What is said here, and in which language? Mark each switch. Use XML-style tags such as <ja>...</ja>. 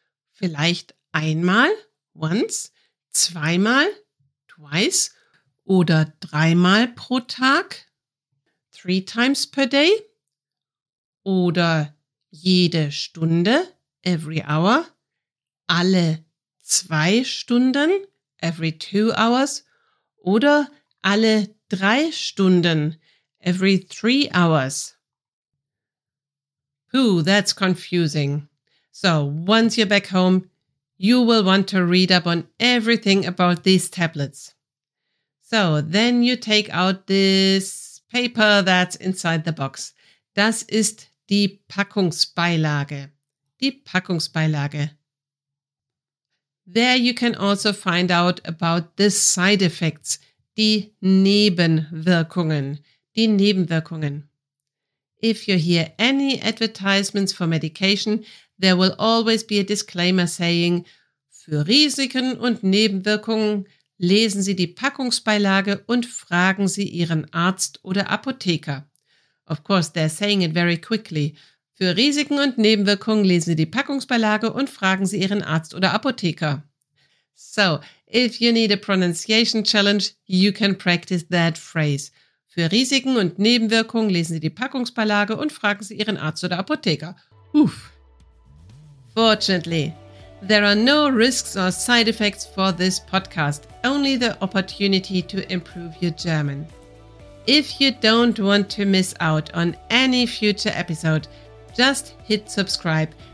<de>Vielleicht einmal,</de> <en>once,</en> <de>zweimal,</de> <en>twice</en> <de>oder dreimal pro Tag,</de> <en>three times per day</en> <de>oder jede Stunde,</de> <en>every hour,</en> <de>alle zwei Stunden,</de> <en>every two hours</en> <de>oder alle drei Stunden,</de> <en>every three hours. Pooh, that's confusing. So, once you're back home, you will want to read up on everything about these tablets. So, then you take out this paper that's inside the box.</en> <de>Das ist die Packungsbeilage. Die Packungsbeilage.</de> <en>There you can also find out about the side effects, die Nebenwirkungen.</en> <de>Die Nebenwirkungen.</de> <en>If you hear any advertisements for medication, there will always be a disclaimer saying,</en> <de>für Risiken und Nebenwirkungen lesen Sie die Packungsbeilage und fragen Sie Ihren Arzt oder Apotheker.</de> <en>Of course, they're saying it very quickly.</en> <de>Für Risiken und Nebenwirkungen lesen Sie die Packungsbeilage und fragen Sie Ihren Arzt oder Apotheker.</de> <en>So, if you need a pronunciation challenge, you can practice that phrase.</en> <de>Für Risiken und Nebenwirkungen lesen Sie die Packungsbeilage und fragen Sie Ihren Arzt oder Apotheker. Uff.</de> <en>Fortunately, there are no risks or side effects for this podcast, only the opportunity to improve your German. If you don't want to miss out on any future episode, just hit subscribe.</en>